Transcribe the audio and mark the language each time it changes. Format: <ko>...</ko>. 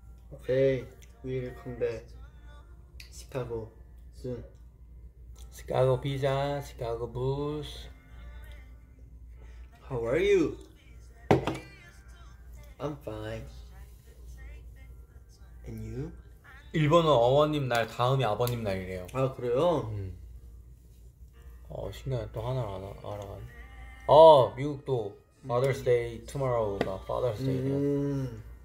<en>오케이, we'll come back. 시카고 soon.</en> <ko>시카고 피자, 시카고 부스.</ko> <en>How are you? I'm fine. And you?</en> <ko>일본어 어머님 날 다음이 아버님 날이래요. 아, 그래요? 어, 신기하네. 또 하나를 알아가네. 어, 미국도 Father's Day Tomorrow가 Father's Day.</ko>